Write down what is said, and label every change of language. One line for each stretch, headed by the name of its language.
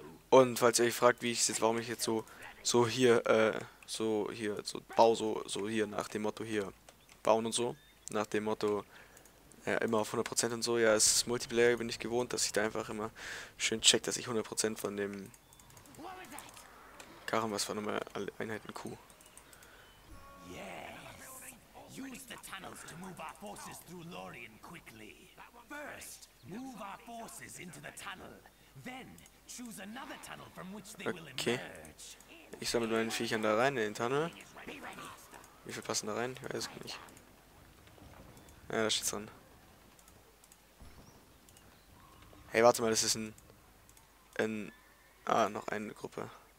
German: Und falls ihr euch fragt, wie ich es jetzt, warum ich jetzt so hier nach dem Motto hier bauen und so, nach dem Motto immer auf 100% und so, ja, es ist Multiplayer, bin ich gewohnt, dass ich da einfach immer schön check, dass ich 100% von dem Karren, was war nochmal alle Einheiten Q.
English: Use the tunnels to move our forces through Lorien quickly. First, move our forces into the tunnel. Then, choose another tunnel from which they will emerge. Okay.
German: Ich sammle meine Viechern da rein in den Tunnel. Wie viel passen da rein? Ich weiß es nicht. Ja, da steht's dran. Hey, warte mal, das ist noch eine Gruppe.